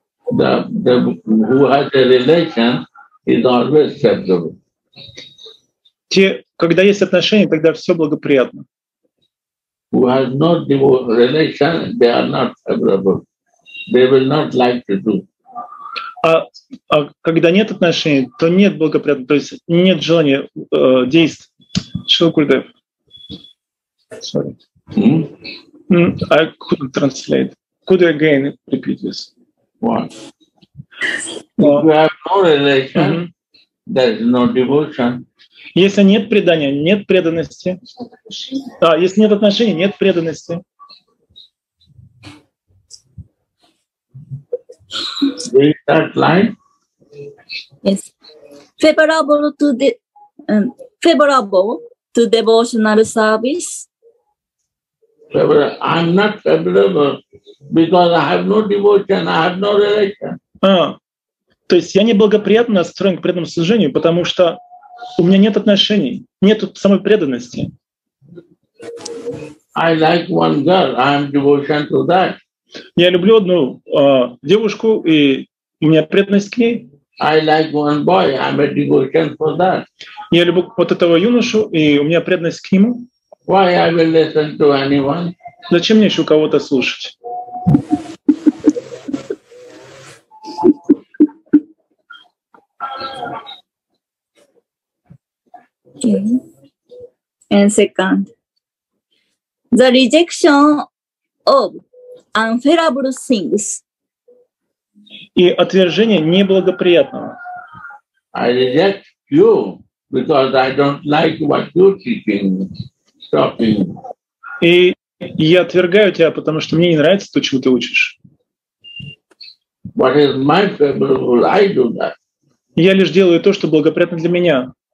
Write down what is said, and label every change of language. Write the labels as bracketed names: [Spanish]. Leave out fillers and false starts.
[English] The who has a relation is always acceptable. [Russian] Те, когда есть отношения, тогда все благоприятно. [English] Who has no relation, they are not favorable. They will not like to do. [Russian] А когда нет отношений, то нет благоприятного, то есть нет желания действовать. [English] Шрила Гурудев. Sorry. I couldn't translate. Could you again repeat this? What? If you have no relation, there is no devotion. [Russian] Если нет предания, нет преданности. А если нет отношений, нет преданности. [English] Read that line. Yes. Favorable to the favorable to devotional service. Favorable. I'm not favorable because I have no devotion, I have no relation. [Russian] То есть я неблагоприятно настроен к преданному служению, потому что у меня нет отношений, нет самой преданности. [English] I like one girl, I have devotion to that. [Russian] Я люблю одну девушку, и у меня преданность к ней. [English] I like one boy, I'm a devotion for that. [Russian] Я люблю вот этого юношу, и у меня преданность к нему. [English] Why I will listen to anyone? [Russian] Зачем мне еще кого-то слушать? [English] Okay. And second. The rejection of unfavorable things. [Russian] И отвержение неблагоприятного. [English] I reject you because I don't like what you're teaching. Stop it. [Russian] И я отвергаю тебя, потому что мне не нравится то, чему ты учишь. [English] What is my favorable? I do that. [Russian] Я лишь делаю то, что благоприятно для меня.